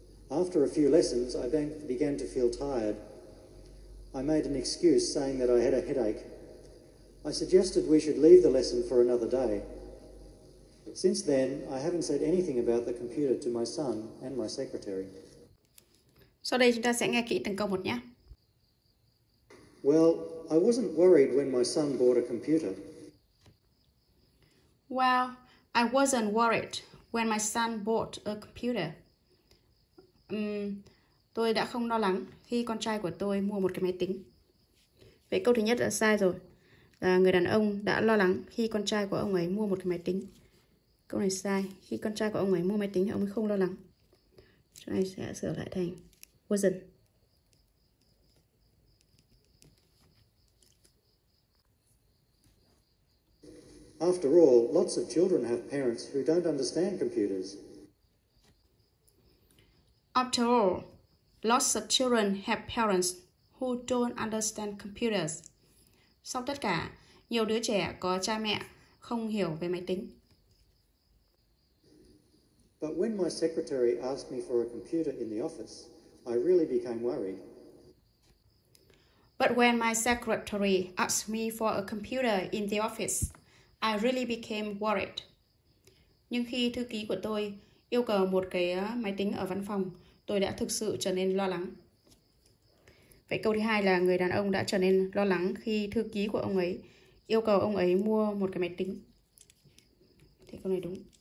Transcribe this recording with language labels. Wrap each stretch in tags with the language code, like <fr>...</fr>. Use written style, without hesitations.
<en>After a few lessons, I began to feel tired. I made an excuse saying that I had a headache. I suggested we should leave the lesson for another day. Since then, I haven't said anything about the computer to my son and my secretary.</en> <vi>Sau đây chúng ta sẽ nghe kỹ từng câu một nhé.</vi> <en>Well, I wasn't worried when my son bought a computer. Well, I wasn't worried when my son bought a computer.</en> <vi>Tôi đã không lo lắng khi con trai của tôi mua một cái máy tính. Vậy câu thứ nhất đã sai rồi. Là người đàn ông đã lo lắng khi con trai của ông ấy mua một cái máy tính. Câu này sai. Khi con trai của ông ấy mua máy tính thì ông ấy không lo lắng. Chỗ này sẽ sửa lại thành wasn't.</vi> <en>After all, lots of children have parents who don't understand computers. After all, lots of children have parents who don't understand computers.</en> <vi>Sau tất cả, nhiều đứa trẻ có cha mẹ không hiểu về máy tính.</vi> <en>But when my secretary asked me for a computer in the office, I really became worried. But when my secretary asked me for a computer in the office, I really became worried.</en> <vi>Nhưng khi thư ký của tôi yêu cầu một cái máy tính ở văn phòng, tôi đã thực sự trở nên lo lắng. Vậy câu thứ hai là người đàn ông đã trở nên lo lắng khi thư ký của ông ấy yêu cầu ông ấy mua một cái máy tính. Thì câu này đúng.</vi>